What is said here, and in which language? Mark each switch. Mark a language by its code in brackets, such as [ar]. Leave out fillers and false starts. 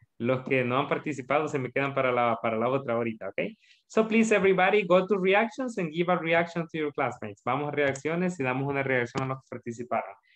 [es] Los que no han participado se me quedan para la otra ahorita, okay? [en] So please, everybody, go to reactions and give a reaction to your classmates. [es] Vamos a reacciones y damos una reacción a los que participaron.